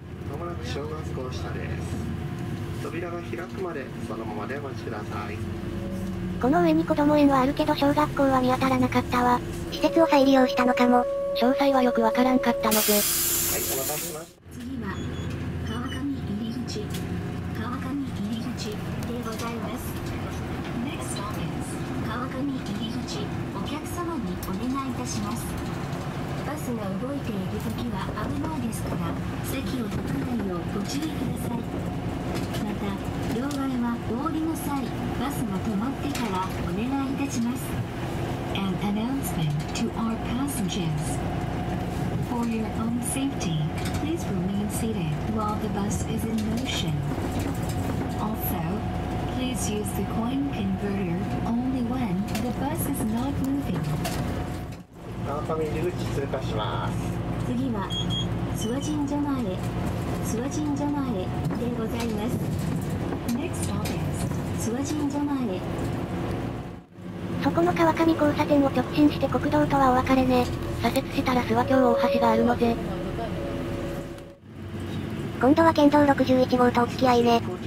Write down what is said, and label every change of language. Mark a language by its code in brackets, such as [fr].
[ja] まもなく小学校下です。扉が開くまでそのままでお待ちください。この上に子供園はあるけど小学校は見当たらなかったわ。施設を再利用したのかも。詳細はよくわからんかったのぜ。はい、お待たせしました。次は川上入り口、川上入り口でございます。 [en] Next stop is 川上入り口。 [ja] お客様にお願いいたします。バスが動いているときは危ないですから、席を取らないようご注意ください。また、両替はお降りの際、バスが止まってからお願いいたします。 [en] An announcement to our passengers. For your own safety, please remain seated while the bus is in motion. Also, please use the coin converter only when the bus is not moving. [ja] 川上入口通過します。次は諏訪神社前、諏訪神社前でございます。 [en] Next stop is 諏訪神社前。 [ja] そこの川上交差点を直進して国道とはお別れね。左折したら諏訪橋大橋があるのぜ。今度は県道61号とお付き合いね。